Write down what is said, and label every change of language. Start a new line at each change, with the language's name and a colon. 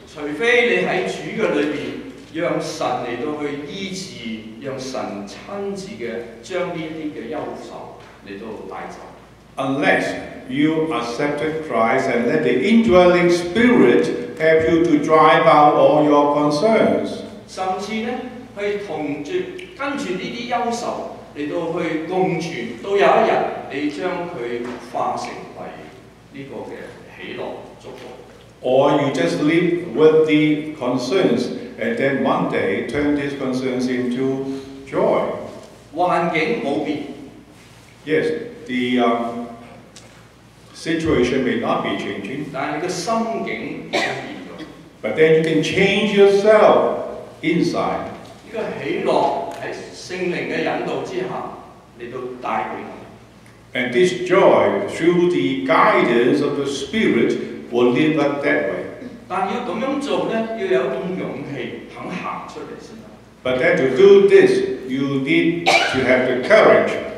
English: Unless you accepted Christ and let the indwelling spirit help you to drive out all your concerns.
Chinese: 甚至呢, 去同着, 跟着这些忧愁, 你都去共存, 都有一天你將它化成為這個的喜樂祝福。
English: Or you just live with the concerns and then one day turn these concerns into joy.
Chinese: 環境沒變。
English: Yes, the situation may not be changing.
Chinese: 但你的心境已經變了。
English: But then you can change yourself inside.
Chinese: 這個喜樂在聖靈的引導之下來帶給我們。
English: And this joy through the guidance of the Spirit will live up that way.
Chinese: 但要這樣做呢,要有勇氣肯走出來才行。
English: But then to do this, you need to have the courage.